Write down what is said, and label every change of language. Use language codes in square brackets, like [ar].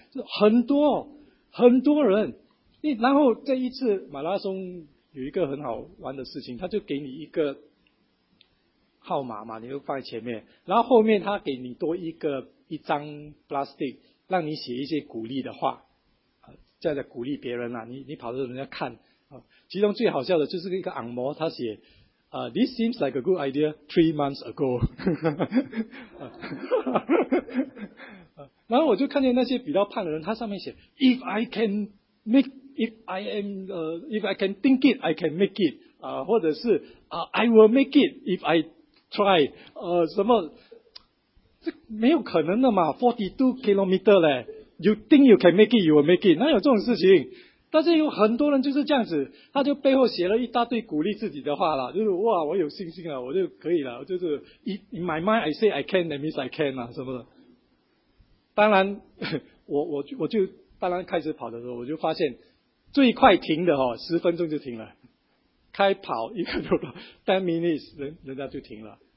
[zh] 就很多很多人，然后这一次马拉松有一个很好玩的事情，他就给你一个号码嘛，你就放在前面，然后后面他给你多一张 plastic, 让你写一些鼓励的话。在鼓励别人啦、啊，你跑的时候人家看、啊、其中最好笑的就是一个按摩，他写啊、， [en] This seems like a good idea three months ago 。 [zh] 然后我就看见那些比较胖的人，他上面写 [en] If I can think it, I can make it [zh] 啊、或者是啊、 [en] I will make it if I try [zh] 什么，这没有可能的嘛 ，42 kilometer 嘞。 [en] You think you can make it, you will make it. [zh] 哪有这种事情？但是有很多人就是这样子，他就背后写了一大堆鼓励自己的话啦，就是哇，我有信心了，我就可以了，就是 [en] in my mind I say I can, [zh] that means I can 啦，什么的。当然，我就当然开始跑的时候，我就发现最快停的哦，十分钟就停了，开跑一个多 [en] ten minutes [zh] 人家就停了。